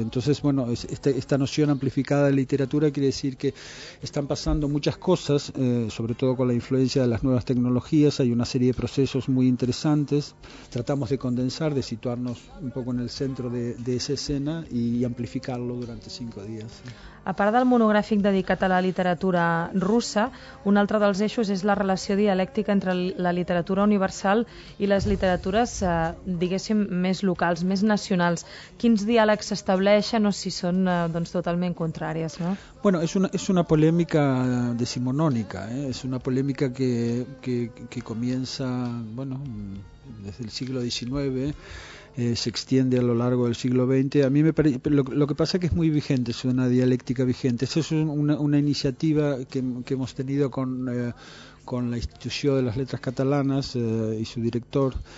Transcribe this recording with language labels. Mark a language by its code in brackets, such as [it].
[es] Entonces, bueno, esta noción amplificada de literatura quiere decir que están pasando muchas cosas, sobre todo con la influencia de las nuevas tecnologías. Hay una serie de procesos muy interesantes. Tratamos de condensar, de situarnos un poco en el centro de esa escena y amplificarlo durante 5 días. Sí. [ca] A part del monogràfic dedicat a la literatura russa, un altre dels eixos és la relació dialèctica entre la literatura universal i les literatures, diguéssim, més locals, més nacionals. Quins diàlegs s'estableixen o si són doncs, totalment contràries, no? Bueno, és una polèmica decimonònica, eh? És una polèmica que comença, bueno, des del segle XIX, [es] se extiende a lo largo del siglo XX. A mí me parece lo que pasa es que es muy vigente, es una dialéctica vigente. Esa es una iniciativa que hemos tenido con la Institución de las Letras Catalanas y su director.